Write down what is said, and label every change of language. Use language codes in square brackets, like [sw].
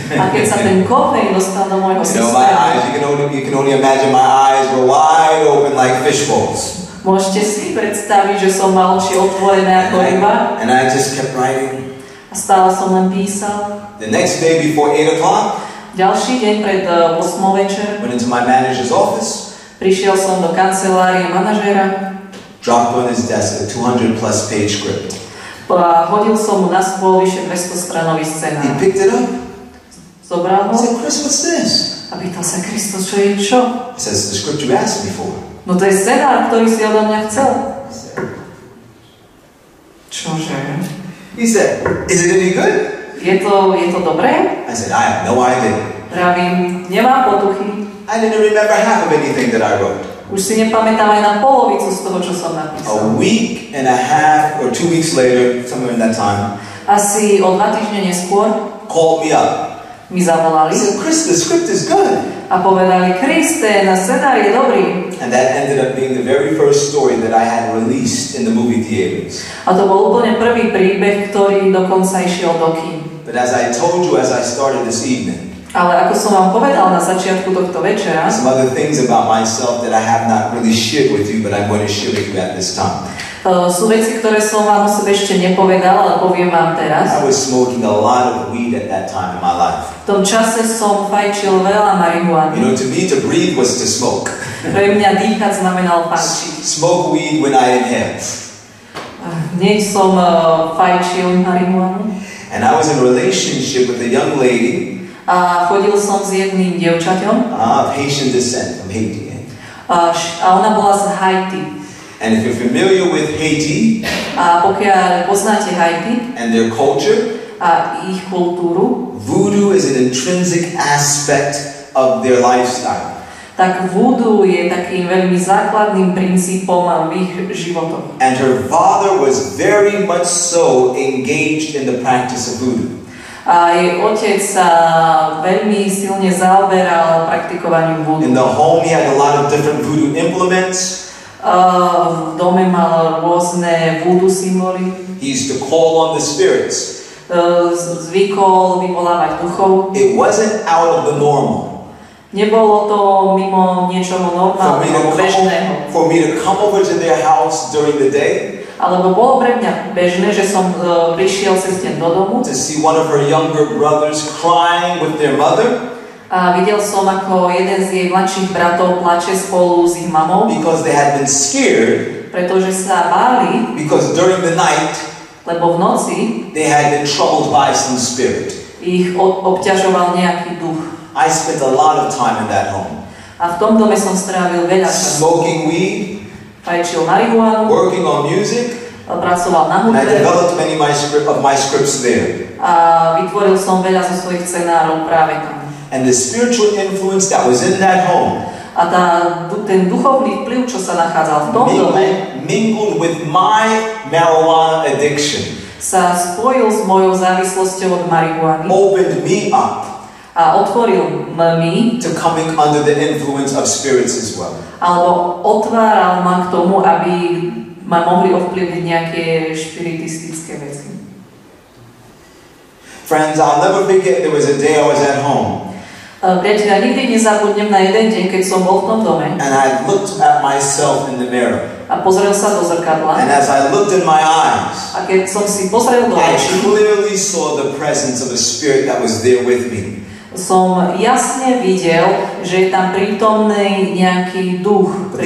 [sk] a keď sa ten kofeín dostal do môjho systému, [en] you know, my eyes, you can only imagine my eyes were wide open like fish bowls. [sk] Môžete si predstaviť, že som mal oči otvorené ako ryba. [en] And I just kept writing. [sk] A stále som len písal. [en] The next day before 8 o'clock, [sk] ďalší deň pred 8 večer, [en] went into my manager's office, [sk] prišiel som do kancelárie manažéra, [en] dropped on his desk a 200 plus page script. [sk] Hodil som mu na stôl vyše 200 stranový scenár. [en] He picked it up. [sk] zobral ho. [en] I said, Chris, what's this? [sk] A pýtal sa, Kristo, čo je čo? [en] He says, the script you asked me for. [sk] No to je scenár, ktorý si odo mňa chcel. Čože? [en] He said, is it any good? [sk] Je to dobré? [en] I said, I have no idea. [sk] Pravím, nemám potuchy. [en] I didn't remember half of anything that I wrote. [sk] Už si nepamätám aj na polovicu z toho, čo som napísal. [en] A week and a half or 2 weeks later, somewhere in that time. [sk] Asi o 2 týždne neskôr. [en] Called me up. [sk] Mi zavolali. [en] He said, Chris, the script is good. [sk] A povedali, Chris, ten scenár je dobrý. [en] And that ended up being the very first story that I had released in the movie theaters. [sk] A to bol úplne prvý príbeh, ktorý dokonca išiel do kín. [en] But as I told you as I started this evening, [sk] ale ako som vám povedal na začiatku tohto večera, [en] some other things about myself that I have not really shared with you, but I'm going to share with you at this time. [sk] Sú veci, ktoré som vám o sebe ešte nepovedal, ale poviem vám teraz. [en] I was smoking a lot of weed at that time in my life. [sk] V tom čase som fajčil veľa marihuany. [en] You know, to me, to breathe was to smoke. [sk] Pre mňa dýchať znamenalo fajčiť. [en] Smoke weed when I inhaled. [sk] Hneď som fajčil marihuany. [en] And I was in a relationship with a young lady. [sk] A chodil som s jedným dievčaťom. [en] Of Haitian descent, from Haiti. [sk] A ona bola z Haiti. [en] And if you're familiar with Haiti, [sk] a pokiaľ poznáte Haiti, [en] and their culture, [sk] a ich kultúru, [en] voodoo is an intrinsic aspect of their lifestyle. [sk] Tak voodoo je takým veľmi základným princípom v ich životoch. [en] And her father was very much so engaged in the practice of voodoo. [sk] A jej otec sa veľmi silne zaoberal praktikovaním voodoo. [en] In the home he had a lot of different voodoo implements. [sk] V dome mal rôzne voodoo symboly. [en] He used to call on the spirits. [sk] Zvykol vyvolávať duchov. [en] It wasn't out of the normal. [sk] Nebolo to mimo niečoho normálneho, bežného. [en] For me to come over to their house during the day. [sk] Alebo bolo pre mňa bežné, že som prišiel cez deň do domu. [en] To see one of her younger brothers crying with their mother. [sk] A videl som, ako jeden z jej mladších bratov plače spolu s ich mamou. [en] Because they had been scared. [sk] Pretože sa báli. [en] Because during the night. [sk] Lebo v noci. [en] They had been troubled by some spirit. [sk] Ich obťažoval nejaký duch. [en] I spent a lot of time in that home. [sk] A v tom dome som strávil veľa času. [en] Smoking weed. [sk] Fajčil marihuanu. [en] Working on music. [sk] Pracoval na hudbe. [en] And I developed many of my scripts there. [sk] A vytvoril som veľa zo svojich scenárov práve tam. [en] And the spiritual influence that was in that home. [sk] A ten duchovný vplyv, čo sa nachádzal v tom dome. [en] Mingled with my marijuana addiction. [sk] Sa spojil s mojou závislosťou od marihuany. [en] Opened me up. [sk] A otvoril mi. [en] To coming under the influence of spirits as well. [sk] Alebo otváral ma k tomu, aby ma mohli ovplyvniť nejaké špiritistické veci. [en] Friends, I'll never forget there was a day I was at home. [sk] Priatelia, nikdy nezabudnem na jeden deň, keď som bol v tom dome. [en] And I looked at myself in the mirror. [sk] A pozrel sa do zrkadla. [en] And as I looked in my eyes. [sk] A keď som si pozrel do očí. [en] I clearly saw the presence of a spirit that was there with me. [sk] Som jasne videl, že je tam prítomný nejaký duch pri mne.